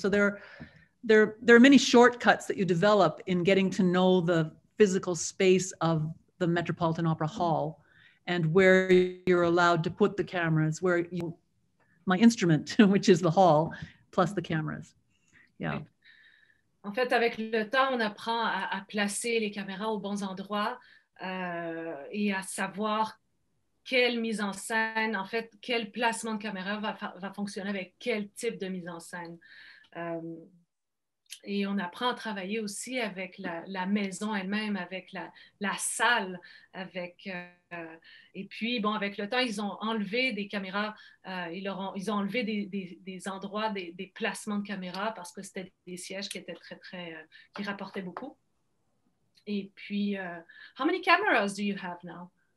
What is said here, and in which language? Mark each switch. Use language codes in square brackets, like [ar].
[en] So there are many shortcuts that you develop in getting to know the physical space of the Metropolitan Opera Hall and where you're allowed to put the cameras, where you, my instrument, which is the hall, plus the cameras. Yeah. Right. [fr] En fait, avec le temps, on apprend à placer les caméras aux bons endroits et à savoir quelle mise en scène, en fait, quel placement de caméra va fonctionner avec quel type de mise en scène. Et on apprend à travailler aussi avec la maison elle-même, avec la salle, avec... et puis, bon, avec le temps, ils ont enlevé des caméras, ils ont enlevé des endroits, des placements de caméras, parce que c'était des sièges qui étaient très, très... qui rapportaient beaucoup. Et puis, [en] how many cameras do you have now?